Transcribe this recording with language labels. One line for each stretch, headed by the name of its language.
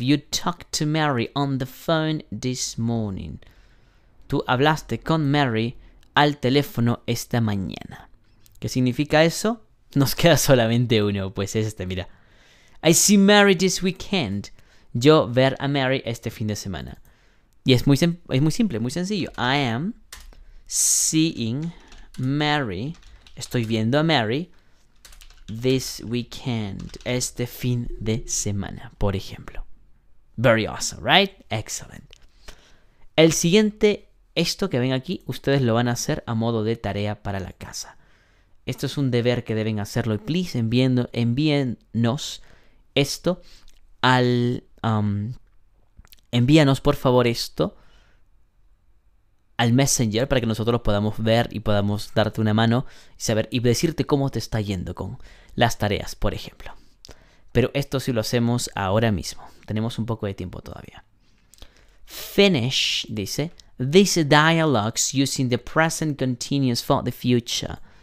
English: You talked to Mary on the phone this morning.
Spanish: Tú hablaste con Mary al teléfono esta mañana. ¿Qué significa eso? Nos queda solamente uno. Pues es este, mira.
English: I see Mary this weekend.
Spanish: Yo ver a Mary este fin de semana. Y es muy simple, muy sencillo.
English: I am seeing Mary.
Spanish: Estoy viendo a Mary
English: this weekend.
Spanish: Este fin de semana, por ejemplo.
English: Very awesome, right? Excellent.
Spanish: El siguiente, esto que ven aquí, ustedes lo van a hacer a modo de tarea para la casa. Esto es un deber que deben hacerlo. Y please, envíennos esto al... envíanos por favor esto al Messenger para que nosotros lo podamos ver y podamos darte una mano y saber y decirte cómo te está yendo con las tareas, por ejemplo. Pero esto sí lo hacemos ahora mismo. Tenemos un poco de tiempo todavía.
English: Finish, dice, these dialogues using the present continuous for the future.